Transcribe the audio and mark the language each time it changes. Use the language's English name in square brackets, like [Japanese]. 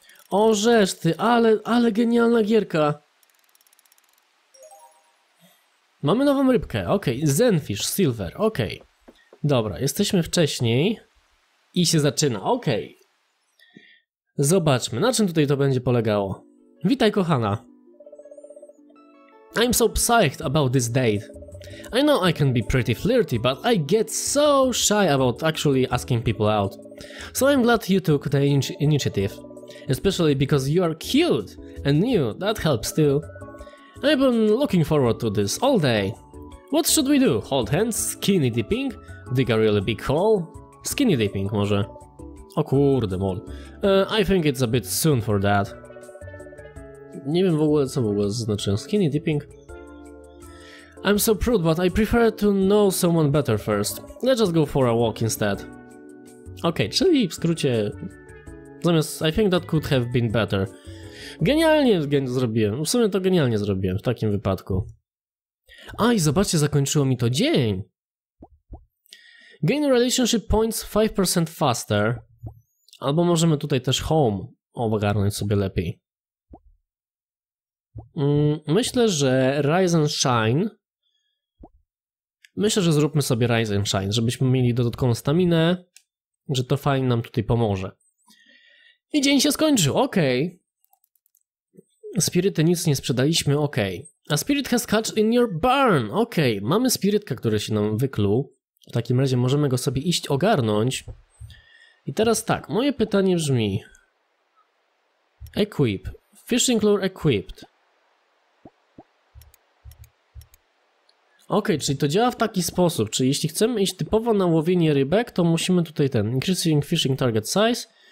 [Polish] O rzesz ty, ale genialna gierka. Mamy nową rybkę, okej. Okay. Zenfish, silver, okej. Okay. Dobra, jesteśmy wcześniej. I się zaczyna, okej. Okay. Zobaczmy, na czym tutaj to będzie polegało. Witaj, kochana. [English] I'm so psyched about this date. I know I can be pretty flirty, but I get so shy about actually asking people out. So I'm glad you took the initiative. Especially because you are cute and new, that helps too. I've been looking forward to this all day. What should we do? Hold hands? Skinny dipping? Dig a really big hole? [Polish] Skinny dipping, może. O kurde, mol. [English] I think it's a bit soon for that. [Polish] Nie wiem w ogóle, co w ogóle znaczyłem. [English] Skinny dipping? I'm so prude, but I prefer to know someone better first. Let's just go for a walk instead. [Polish] Okej, okay, czyli w skrócie... [English] Zamiast, I think that could have been better. [Polish] Genialnie zrobiłem, w sumie to genialnie zrobiłem w takim wypadku. Aj, zobaczcie, zakończyło mi to dzień. [English] Gain relationship points 5% faster. [Polish] Albo możemy tutaj też home ogarnąć sobie lepiej. Myślę, że Rise and Shine. Myślę, że zróbmy sobie Rise and Shine, żebyśmy mieli dodatkową staminę, że to fajnie nam tutaj pomoże. I dzień się skończył, okej. Okay. Spiryty nic nie sprzedaliśmy, okej. [English] Okay. A spirit has hatched in your barn, okej. Okay. [Polish] Mamy spirytka, który się nam wykluł. W takim razie możemy go sobie iść ogarnąć. I teraz tak, moje pytanie brzmi. Equip. [English] Fishing lure equipped. [Polish] Okej, okay, czyli to działa w taki sposób. Czyli jeśli chcemy iść typowo na łowienie rybek, to musimy tutaj ten, [English] increasing fishing target size.